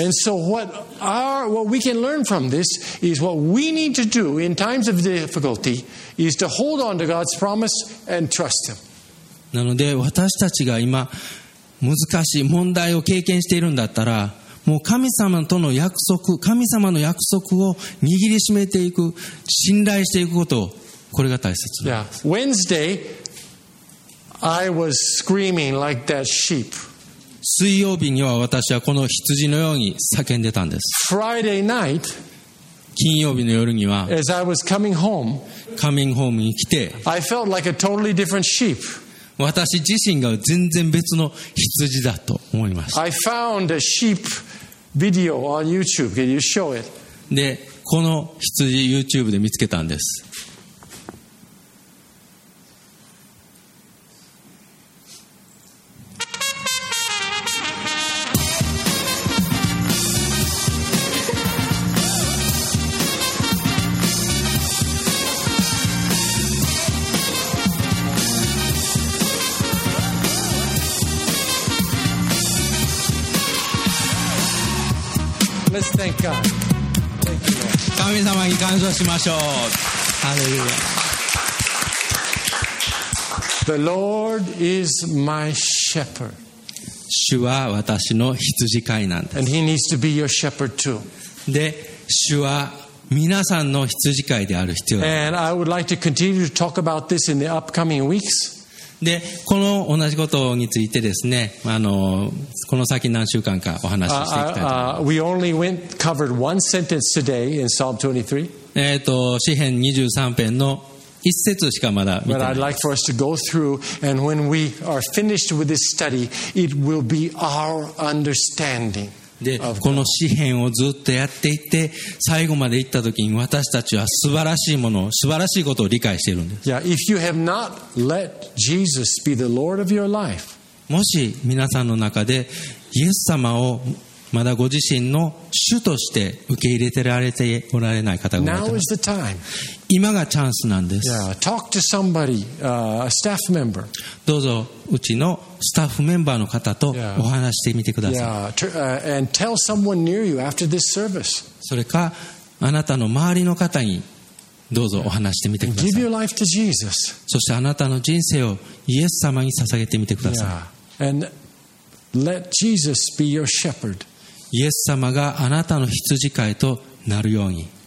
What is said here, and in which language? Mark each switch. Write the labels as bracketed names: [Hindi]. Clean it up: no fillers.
[English] And so what we can learn from this is what we need to do in times of difficulty is to hold on to God's promise and trust Him. [Japanese] なので私たちが今難しい問題を経験しているんだったら。もう神様との約束、神様の約束を握りしめていく、信頼していくこと、これが大切です。 [English] Yeah. Wednesday, I was screaming like that sheep. [Japanese] 水曜日には私はこの羊のように叫んでたんです。 [English] Friday night, [Japanese] 金曜日の夜には、 [English] as I was coming home, coming home [Japanese] に来て、 [English] I felt like a totally different sheep. [Japanese] 私自身が全然別の羊だと思いました。 [English] I found a sheep video on YouTube. Can you show it? [Japanese] で、この羊 YouTube で見つけたんです。 [English] Let's thank God. Thank you, Lord. [Japanese] 神様に感謝しましょう。ハレルヤ。 [English] The Lord is my shepherd. [Japanese] 主は私の羊飼いなんです。 [English] And he needs to be your shepherd too. [Japanese] で、主は皆さんの羊飼いである必要があります [English] And I would like to continue to talk about this in the upcoming weeks. [Japanese] でこの同じことについてですね、この先何週間かお話ししていきたいと思います。 [English] We only went covered one sentence today in Psalm 23. [Japanese] 詩編23編の一節しかまだ見てないです。 [English] But I'd like for us to go through, and when we are finished with this study, it will be our understanding. [Japanese] でこの詩編をずっとやっていって最後まで行った時に私たちは素晴らしいものを素晴らしいことを理解しているんです。 [English] yeah, if you have not let Jesus be the Lord of your life, [Japanese] もし皆さんの中でイエス様をまだご自身の主として受け入れてられておられない方がいます。 [English] Now is the time. [Japanese] 今がチャンスなんです。 [English] yeah, talk to somebody, a staff member. [Japanese] どうぞうちのスタッフメンバーの方とお話してみてください。 [English] yeah. Yeah. And tell someone near you after this service. [Japanese] それかあなたの周りの方にどうぞお話してみてください。 [English] Give your life to Jesus. [Japanese] そしてあなたの人生をイエス様に捧げてみてください。 [English] yeah. And let Jesus be your shepherd. [Japanese] イエス様があなたの羊飼いとなるように。